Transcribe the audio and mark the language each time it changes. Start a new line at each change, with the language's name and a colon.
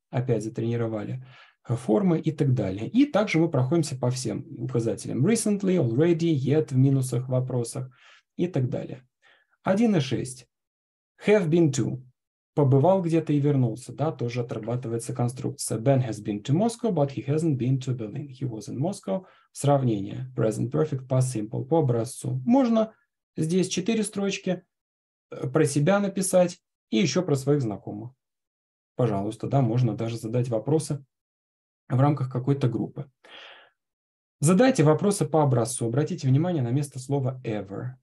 Russian: Опять затренировали формы и так далее. И также мы проходимся по всем указателям. Recently, already, yet, в минусах, вопросах и так далее. 1.6. Have been to. Побывал где-то и вернулся. Да, тоже отрабатывается конструкция.
English: Ben has been to Moscow, but he hasn't been to Berlin. He was in Moscow.
Russian: Сравнение.
English: Present perfect, past simple.
Russian: По образцу. Можно здесь 4 строчки про себя написать. И еще про своих знакомых. Пожалуйста, да, можно даже задать вопросы в рамках какой-то группы. Задайте вопросы по образцу. Обратите внимание на место слова ever.